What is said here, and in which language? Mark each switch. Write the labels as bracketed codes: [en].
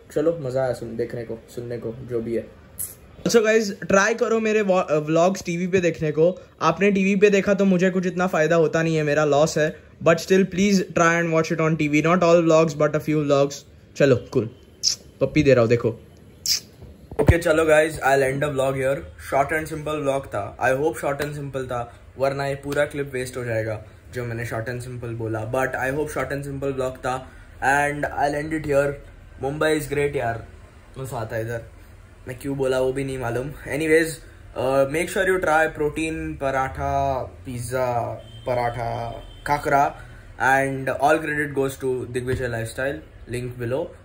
[hi] चलो मजा आया सुनने को जो भी है। [en] So guys, [hi] try करो मेरे vlogs TV पे देखने को। आपने TV पे देखा तो मुझे कुछ इतना फायदा होता नहीं है, मेरा loss है। [en] But still, please try and watch it on TV. Not all vlogs, but a few vlogs. [hi] चलो cool. पप्पी दे रहा हूँ देखो। [en] Okay, चलो guys, I'll end the vlog here. Short and simple vlog था। I hope short and simple [hi] था, वरना ये पूरा clip waste हो जाएगा जो मैंने short and simple बोला। [en] But I hope short and simple vlog था। And I end it here, Mumbai is great [hi] यार, मजा आता है इधर, मैं क्यों बोला वो भी नहीं मालूम। [en] Anyways, make sure you try protein paratha, pizza paratha काकरा, and all credit goes to Digvijay lifestyle, link below.